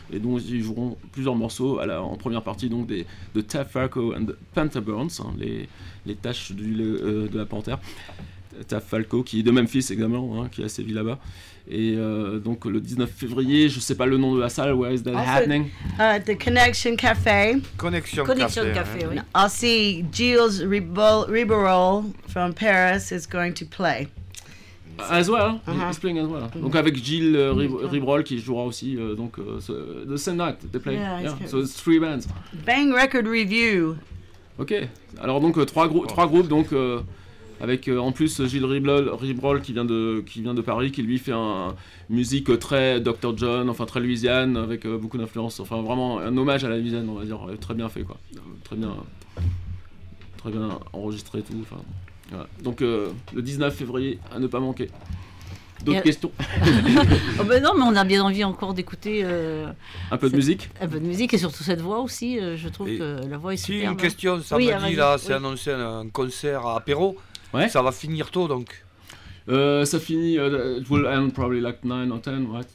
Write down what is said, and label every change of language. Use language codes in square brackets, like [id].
[fr] Et dont ils joueront plusieurs morceaux en première partie donc, de Taff Falco and Panther Burns, hein, les taches de la panthère. Taff Falco, qui est de Memphis également, hein, qui a sévi là-bas. Et donc le 19 février, je ne sais pas le nom de la salle, [en] where is that also, happening? The Connection Café. Connection Café, [fr] oui. [en] I'll see Gilles Ribeirol from Paris is going to play. As well, he's playing as well. [fr] Donc avec Gilles Ribeirol qui jouera aussi, donc [en] the same night they play. Yeah. So it's 3 bands. Bang Record Review. [fr] Ok, alors donc trois groupes, donc... avec en plus Gilles Ribeirol qui vient de Paris, qui lui fait une musique très Dr. John, enfin très Louisiane, avec beaucoup d'influence, enfin vraiment un hommage à la Louisiane, on va dire, très bien fait quoi, très bien enregistré et tout, enfin voilà. Donc le 19 février, à ne pas manquer. D'autres questions? Oh ben non, mais on a bien envie encore d'écouter... un peu de musique. Un peu de musique, et surtout cette voix aussi, je trouve et que la voix est superbe. Une question, ça oui, me dit là, c'est annoncé un concert à apéro. Ouais. Ça va finir tôt donc. Ça finit. [en] It will end probably like 9 or 10, right?